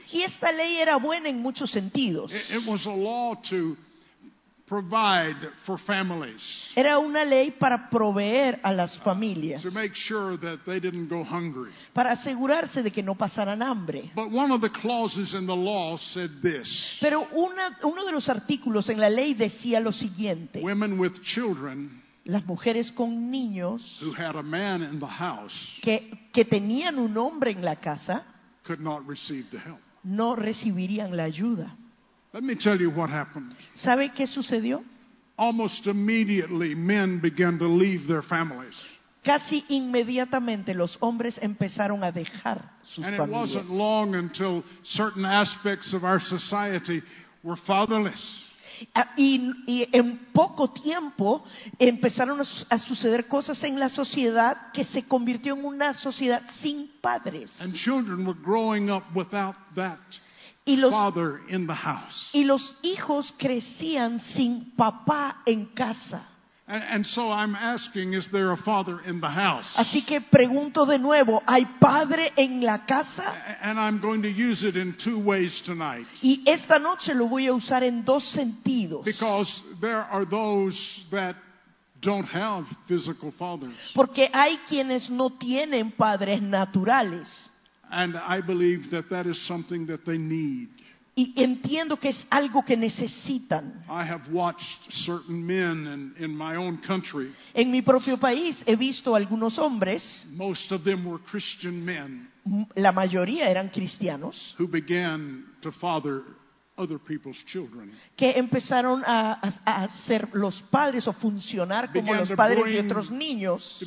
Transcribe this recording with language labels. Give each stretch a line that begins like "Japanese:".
Spanish: Y esta ley era buena en muchos sentidos.
English: It was a law to provide for families.
Spanish: Era una ley para proveer a las familias.
English: To make sure that they didn't go hungry.
Spanish: Para asegurarse de que no pasaran hambre.
English: But one of the clauses in the law said this.
Spanish: Pero uno de los artículos en la ley decía lo siguiente.
English: Women with children.
Spanish: Las mujeres con niños.
English: Who had a man in the house.
Spanish: Que tenían un hombre en la casa.
English: Could not receive the help.
Spanish: No recibirían la ayuda.
English: Let me tell you what happened.
Spanish: ¿Sabe qué sucedió?
English: Almost immediately, men began to leave their families.
Spanish: Casi inmediatamente los hombres empezaron a dejar sus
English: and
Spanish: familias.
English: It wasn't long until certain aspects of our society were fatherless.
Spanish: Y en poco tiempo empezaron a suceder cosas en la sociedad que se convirtió en una sociedad sin padres.
English: And children were growing up without that. Father in the house.
Spanish: Y los hijos crecían sin papá en casa.
English: And so I'm asking, is there a father in the house?
Spanish: Así que pregunto de nuevo, ¿hay padre en la casa?
English: And I'm going to use it in two ways tonight.
Spanish: Y esta noche lo voy a usar en dos sentidos.
English: Because there are those that don't have physical fathers.
Spanish: Porque hay quienes no tienen padres naturales.
English: And I believe that that is something that they need.
Spanish: Y entiendo que es algo que necesitan.
English: I have watched certain men in my own country.
Spanish: En mi propio país he visto algunos hombres.
English: Most of them were Christian men.
Spanish: La mayoría eran cristianos.
English: Who began to father other people's children.
Spanish: Que empezaron a ser los padres o funcionar como los padres de otros niños.